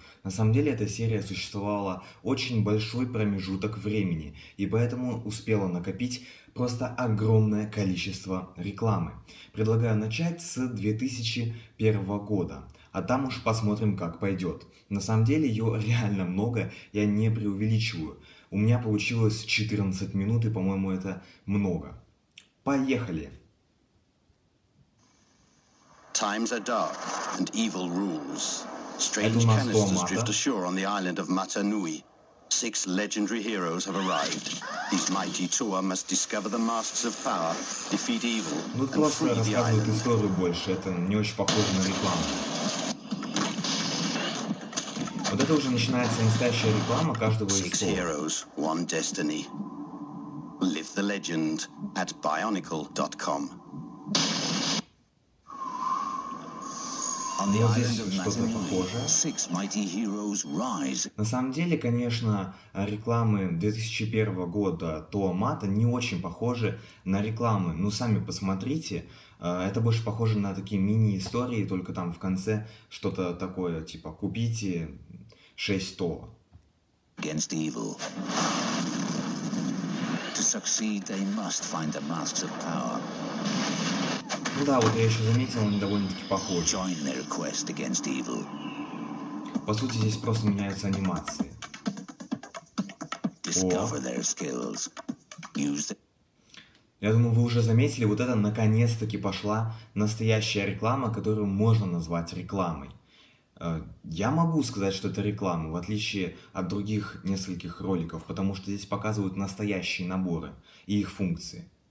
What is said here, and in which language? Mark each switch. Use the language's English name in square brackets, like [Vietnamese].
[Russian] На самом деле эта серия существовала очень большой промежуток времени, и поэтому успела накопить просто огромное количество рекламы. Предлагаю начать с 2001 года. А там уж посмотрим, как пойдет. На самом деле ее реально много, я не преувеличиваю. У меня получилось 14 минут, и, по-моему, это много. Поехали! [English] Times are dark and evil rules. Strange canisters drift ashore on the island of Mata Nui. Six legendary heroes have arrived. These mighty Tua must discover the masks of power, defeat evil, and free the island. [Russian] Ну, классно, рассказывает историю больше. Это не очень похоже на рекламу. Вот это уже начинается настоящая реклама каждого из [English] Six heroes, one destiny. Live the legend at bionicle.com. [Russian] Вот здесь что-то похожее. На самом деле, конечно, рекламы 2001 года Тоа Мата не очень похожи на рекламы. Ну, сами посмотрите. Это больше похоже на такие мини-истории, только там в конце что-то такое, типа, купите 6 Тоа. [English] Against evil. To succeed, they must find the masks of power. [Russian] Ну да, вот я еще заметил, они довольно-таки похожи. [English] Join their quest against evil. [Russian] По сути, здесь просто меняются анимации. [English] Discover their skills. Use the... [Russian] Я думаю, вы уже заметили, вот это наконец-таки пошла настоящая реклама, которую можно назвать рекламой. Я могу сказать, что это реклама, в отличие от других нескольких роликов, потому что здесь показывают настоящие наборы и их функции.